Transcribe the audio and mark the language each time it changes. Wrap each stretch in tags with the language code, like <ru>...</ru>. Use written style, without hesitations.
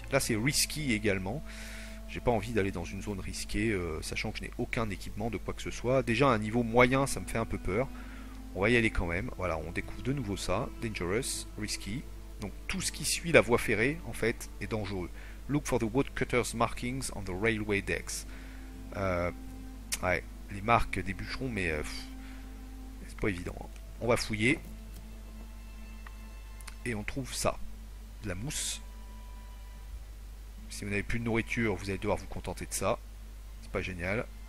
<fr>Là c'est risky également. J'ai pas envie d'aller dans une zone risquée, sachant que je n'ai aucun équipement de quoi que ce soit. Déjà, à un niveau moyen, ça me fait un peu peur. On va y aller quand même. Voilà, on découvre de nouveau ça.</fr> <en>Dangerous, risky.</en> <fr>Donc, tout ce qui suit la voie ferrée, en fait, est dangereux.</fr> <en>Look for the woodcutter's markings on the railway decks.</en> <fr>Ouais, les marques des bûcherons, mais c'est pas évident. Hein. On va fouiller. Et on trouve ça. De la mousse. Si vous n'avez plus de nourriture, vous allez devoir vous contenter de ça. C'est pas génial.</fr>